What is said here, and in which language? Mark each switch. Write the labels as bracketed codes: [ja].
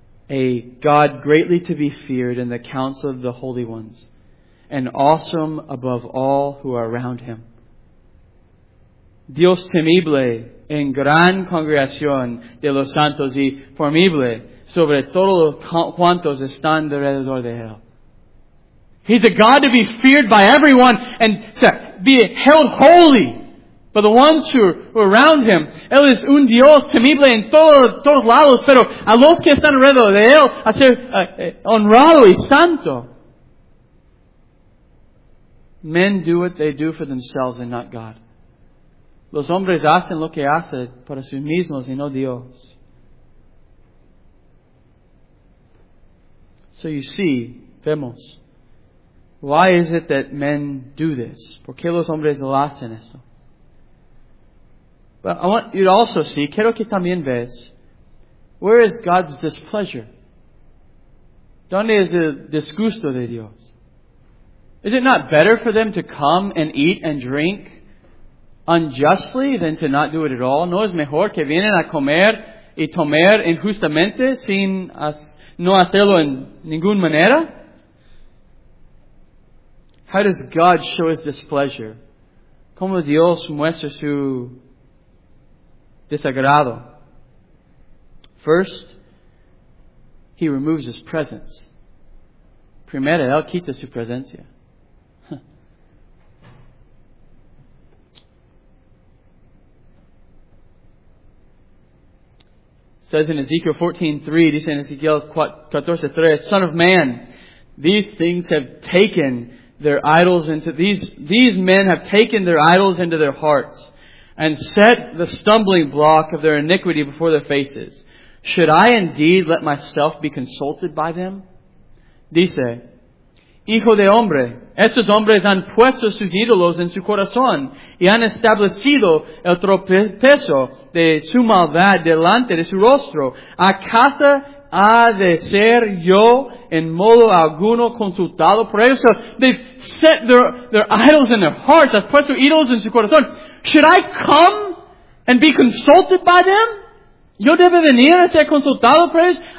[en] A God greatly to be feared in the council of the holy ones, and awesome above all who are around him. [es] Dios temible en gran congregación de los santos y formible sobre todos cuantos están alrededor de él. [en] He's a God to be feared by everyone and to be held holy by the ones who are around him. [es] Él es un Dios temible en todos lados, pero a los que están alrededor de él, a ser honrado y santo. [en] Men do what they do for themselves and not God. [es] Los hombres hacen lo que hacen para sí mismos y no Dios. [en] So you see, [es] vemos. [en] Why is it that men do this? [es] ¿Por qué los hombres lo hacen esto? [en] But I want you to also see, [es] quiero que también ves, [en] where is God's displeasure? [es] ¿Dónde es el disgusto de Dios? [en] Is it not better for them to come and eat and drink unjustly than to not do it at all? [es] ¿No es mejor que vienen a comer y tomar injustamente sin no hacerlo en ninguna manera? [en] How does God show His displeasure? [es] ¿Cómo Dios muestra su desagrado? [en] First, He removes His presence. [es] Primero, Él quita su presencia. [en] Says in Ezekiel 14:3, [es] dice en Ezekiel 14:3, [en] Son of man, these things have taken their idols into these men have taken their idols into their hearts and set the stumbling block of their iniquity before their faces. Should I indeed let myself be consulted by them? [es] Dice, Hijo de hombre, esos hombres han puesto sus ídolos en su corazón y han establecido el tropiezo de su maldad delante de su rostro. ¿Acaso ha de ser yo en modo alguno consultado por ellos? [en] So they've set their idols in their hearts. [es] Has puesto ídolos en su corazón. [en] Should I come and be consulted by them? [es] ¿Yo debo venir a ser consultado por ellos?